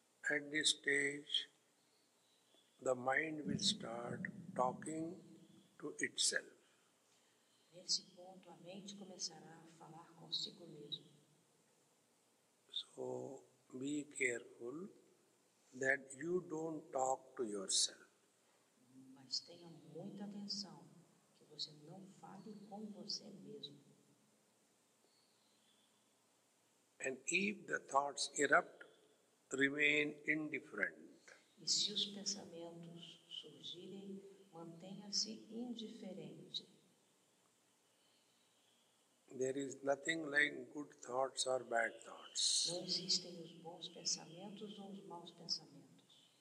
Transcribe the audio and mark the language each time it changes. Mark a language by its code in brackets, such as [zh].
[en] at this stage, the mind will start talking to itself. [pt] Nesse ponto, a mente começará a falar consigo mesmo. [en] So, be careful that you don't talk to yourself. [pt] Mas tenha muita atenção que você não fale com você mesmo. [en] And if the thoughts erupt, remain indifferent. [pt] E se os pensamentos surgirem, mantenha-se indiferente. [en] There is nothing like good thoughts or bad thoughts. [pt] Não existem os bons pensamentos ou os maus pensamentos.